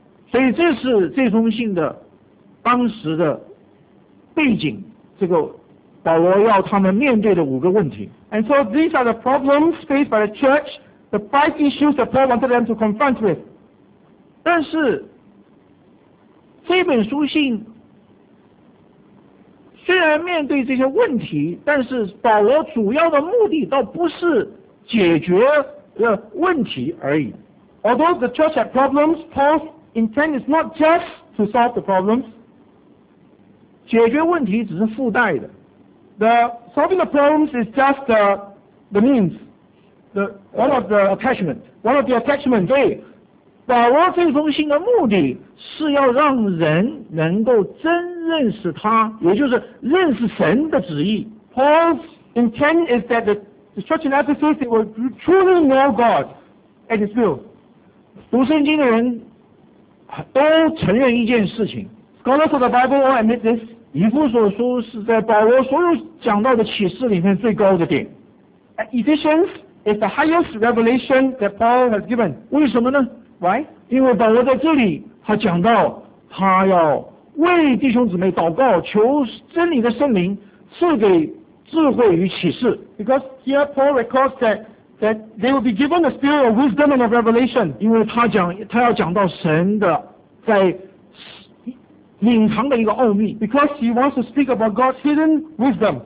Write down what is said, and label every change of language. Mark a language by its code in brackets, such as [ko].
[zh] 所以这是这封信的当时的背景，这个保罗要他们面对的五个问题。 [en] And so these are the problems faced by the church, the five issues that Paul wanted them to confront with. [zh] 但是这本书信虽然面对这些问题，但是保罗主要的目的倒不是解决问题而已。 [en] Although the church had problems, Paul's intent is not just to solve the problems. [zh] 解决问题只是附带的。 [en] The solving the problems is just the means, the one of the attachment, one of the attachment. [zh] 对，保罗这封信的目的是要让人能够真认识他，也就是认识神的旨意。 [en] Paul's intent is that the church in Ephesus will truly know God and His will. [zh] 读圣经的人都承认一件事情。 [en] Scholars of the Bible all admit this. [zh] 以弗所书是在保罗所有讲到的启示里面最高的点。 [en] Ephesians is the highest revelation that Paul has given. [zh] 为什么呢 [en] ？Why？ [zh] 因为保罗在这里他讲到他要为弟兄姊妹祷告，求真理的圣灵赐给智慧与启示。 [en] Because here Paul records that they will be given the spirit of wisdom and of revelation. [zh] 因为他要讲到神的在隐藏的一个奥秘。 [en] Because he wants to speak about God's hidden wisdom.